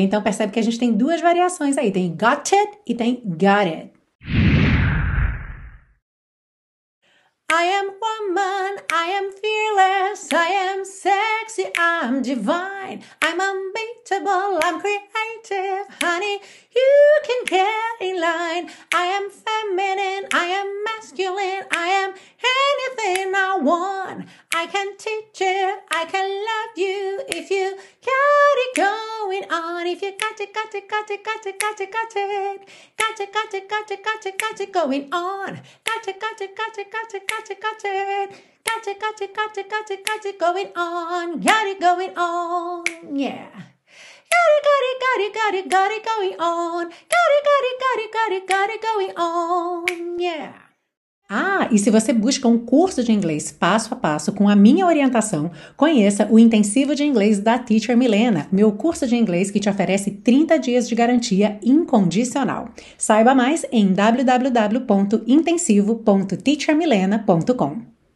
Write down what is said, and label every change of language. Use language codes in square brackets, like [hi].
[pt] Então, percebe que a gente tem duas variações aí, tem got it e tem got it. [en] I am woman, I am fearless, I am sexy, I'm divine, I'm unbeatable, I'm creative, honey, you can get in line. I am feminine, I am masculine, I am anything I want. I can teach you, I can love you, if you got it going on. If you got it, got it, got it, got it, got it, got it, got it, got it, got it, got it, got it going on. Got it, got it, got it, got it, got it, got it, got it, got it, got it, got it, got it going on. Got it going on, yeah. Got it, got it, got it going on. Got it, got it, got it, got it, got it going on, yeah. [pt] Ah, e se você busca um curso de inglês passo a passo com a minha orientação, conheça o Intensivo de Inglês da Teacher Milena, meu curso de inglês que te oferece 30 dias de garantia incondicional. Saiba mais em www.intensivo.teachermilena.com.